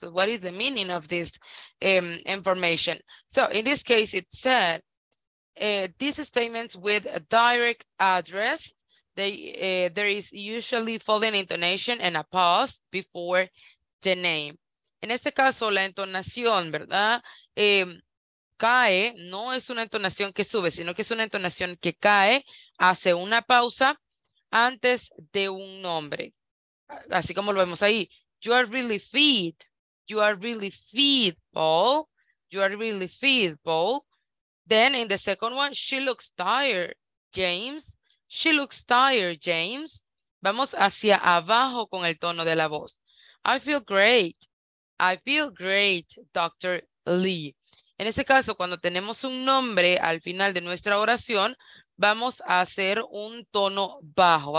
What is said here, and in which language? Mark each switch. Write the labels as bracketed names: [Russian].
[English] What is the meaning of this information? So in this case, it said, these statements with a direct address, there is usually falling intonation and a pause before the name. [Spanish] En este caso, la entonación, ¿verdad? Cae, no es una entonación que sube, sino que es una entonación que cae, hace una pausa antes de un nombre. Así como lo vemos ahí. [English] You are really fit. You are really fit, Paul. You are really fit, Paul. Then in the second one, she looks tired, James. She looks tired, James. [Spanish] Vamos hacia abajo con el tono de la voz. [English] I feel great. I feel great, Dr. Lee. [Spanish] En este caso, cuando tenemos un nombre al final de nuestra oración, vamos a hacer un tono bajo.